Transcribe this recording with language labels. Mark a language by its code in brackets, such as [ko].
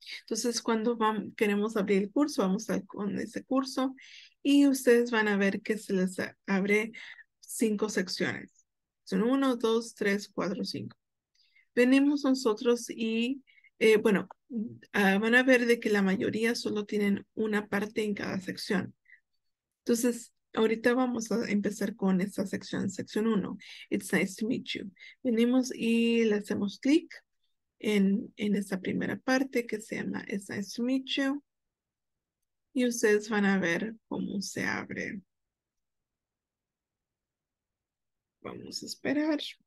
[es] Entonces, cuando queremos abrir el curso, vamos con ese curso y ustedes van a ver que se les abre cinco secciones. Son uno, dos, tres, cuatro, cinco. Venimos nosotros y, bueno, van a ver de que la mayoría solo tienen una parte en cada sección. Entonces, ahorita vamos a empezar con esta sección, sección uno. [en] It's nice to meet you. [es] Venimos y le hacemos clic. En esta primera parte que se llama [en] It's nice to meet you. [es] Y ustedes van a ver cómo se abre. Vamos a esperar.